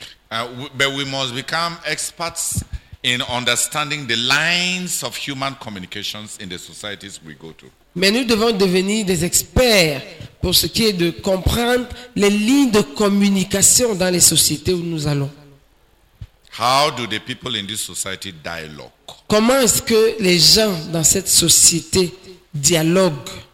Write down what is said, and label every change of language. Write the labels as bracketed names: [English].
[English] But we must become experts in understanding the lines of human communications in the societies we go to. [French] Mais nous devons devenir des experts pour ce qui est de comprendre les lignes de communication dans les sociétés où nous allons. [English] How do the people in this society dialogue? [French] Comment est-ce que les gens dans cette société dialoguent?